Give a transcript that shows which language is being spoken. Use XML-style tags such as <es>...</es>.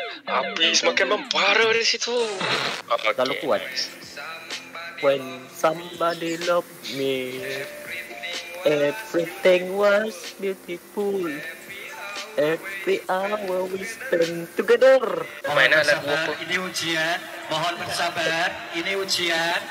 <id>Api semakin membara dari situ. Okay. Kalau kuat.</id> <en>When somebody loved me, everything was beautiful. Every hour we spend together.</en> <id>Mohon bersabar, ini ujian. Mohon bersabar, ini ujian.</id>